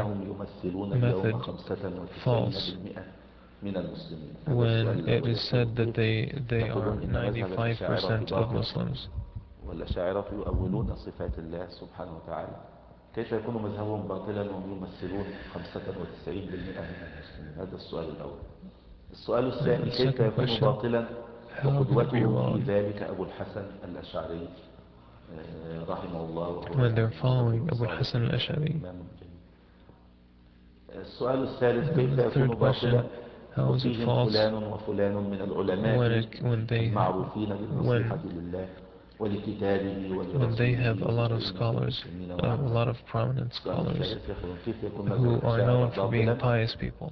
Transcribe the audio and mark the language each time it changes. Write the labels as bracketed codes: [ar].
[ar] إنهم يمثلون اليوم 95% من المسلمين. [en] When it is said that they are 95% of Muslims. [ar] والأشاعرة يؤولون صفات الله سبحانه وتعالى. كيف يكون مذهبهم باطلاً وهم يمثلون 95% من المسلمين؟ هذا السؤال الأول. السؤال الثاني كيف يكون باطلاً؟ وقدوته في ذلك أبو الحسن الأشعري رحمه الله [en] when they're following أبو الحسن الأشعري [ar] السؤال الثالث كيف يكون باطلا وفيهم فلان وفلان من العلماء المعروفين بالنصيحة لله ولكتابه [en] when they have a lot of scholars a lot of prominent scholars who are known for being pious people